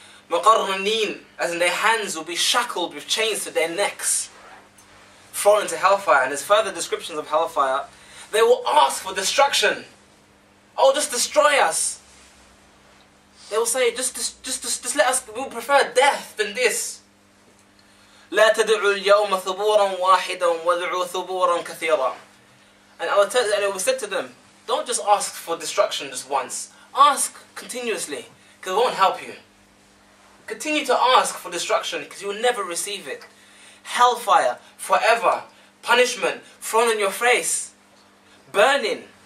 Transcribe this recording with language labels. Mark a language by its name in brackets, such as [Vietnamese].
[English] مقرنين, as in their hands will be shackled with chains to their necks. Thrown into hellfire, and there's further descriptions of hellfire. They will ask for destruction. Oh, just destroy us. They will say, just let us, we would prefer death than this. [Arabic] لا تدعوا اليوم ثبورا واحدا وادعوا ثبورا كثيرا. [English] And Allah will say to them, don't just ask for destruction just once. Ask continuously, because it won't help you. Continue to ask for destruction, because you will never receive it. Hellfire, forever. Punishment, thrown in your face. Burning.